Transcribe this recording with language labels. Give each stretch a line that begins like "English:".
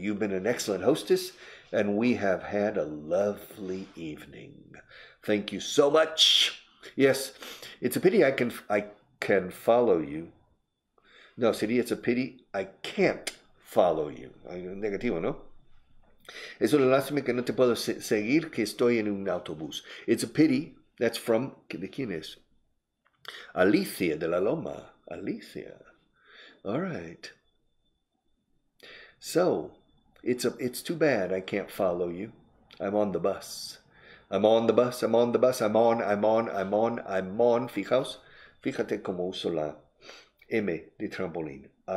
English: You've been an excellent hostess, and we have had a lovely evening. Thank you so much. Yes, it's a pity I can follow you. No,
Spanish: sería,
English: it's a pity I can't follow you.
Spanish: Negativo, ¿no? Es una lástima que no te puedo seguir, que estoy en un autobús.
English: It's a pity, that's from,
Spanish: ¿de quién es?
English: Alicia de la Loma. Alicia. All right. So, it's too bad I can't follow you. I'm on the bus. I'm on the bus, I'm on the bus, I'm on.
Spanish: Fijaos, fíjate cómo uso la M de trampolín.